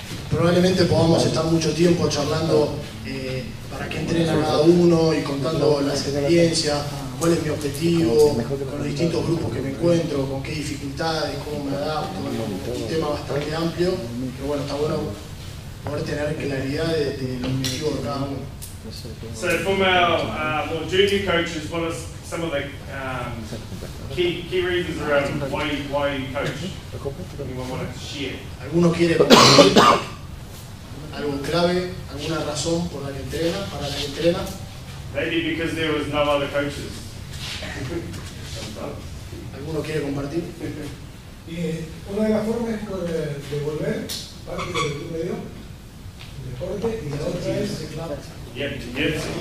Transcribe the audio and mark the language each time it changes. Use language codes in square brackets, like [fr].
[es] Probablemente podamos estar mucho tiempo charlando para qué entrena cada uno y contando las experiencias, cuál es mi objetivo, con los distintos grupos que me encuentro, con qué dificultades, cómo me adapto, un tema bastante amplio, pero bueno, está bueno poder tener claridad de los objetivos de cada uno. [en] So from our junior coaches, what are some of the key reasons around why you coach? Anyone want to share? [es] Alguno quiere compartir algo clave, alguna razón por la que entrena, para la que entrena. [en] Maybe because there was no other coaches. [es] Alguno quiere compartir. Y una de las formas es por devolver parte del medio deporte y la otra es clave.